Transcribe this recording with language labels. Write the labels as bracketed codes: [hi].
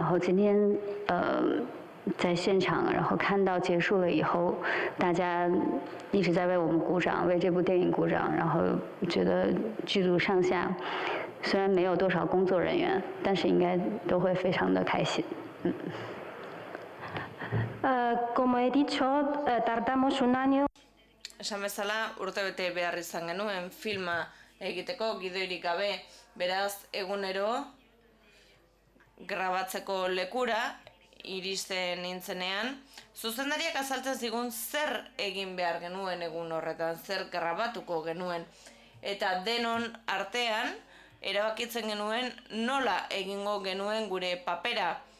[zh] 然后今天在现场，然后看到结束了以后，大家一直在为我们鼓掌，为这部电影鼓掌。然后觉得剧组上下虽然没有多少工作人员，但是应该都会非常的开心。 [es] como he dicho, tardamos un año. [eu] Esan bezala, urtebete behar izan genuen filma egiteko gidoirik gabe, beraz egunero grabatzeko lekura iristen nintzenean, zuzendariak azaltzen zigun zer egin behar genuen egun horretan, zer grabatuko genuen, eta denon artean erabakitzen genuen nola egingo genuen gure papera.